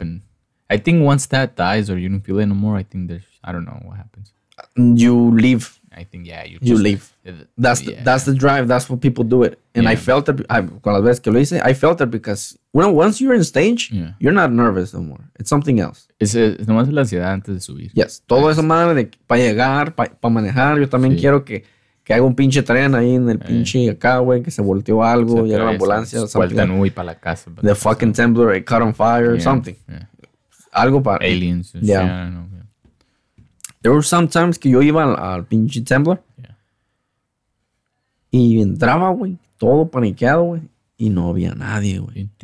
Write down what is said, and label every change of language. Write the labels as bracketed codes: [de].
[en] And I think once that dies or you don't feel it no more, I think there's, I don't know what happens. You leave. I think, yeah. You leave. That's the drive. That's what people do it. And I felt it because once you're in stage, you're not nervous no more. It's something else. [es] Es nomás la ansiedad antes de subir. [en] Yes. [es] Todo eso, madre, de para llegar, para manejar. Yo también quiero que haga un pinche tren ahí en el pinche acá, güey, que se volteó algo, llega la ambulancia. Vuelta nube para la casa. [en] The fucking Templar, it caught on fire, something. Yeah. [es] Algo para... [en] aliens. Yeah. I don't know. There were some times [es] que yo iba al pinche Templar. [en] Yeah. [es] Y entraba, güey, todo paniqueado, güey. Y no había nadie, güey.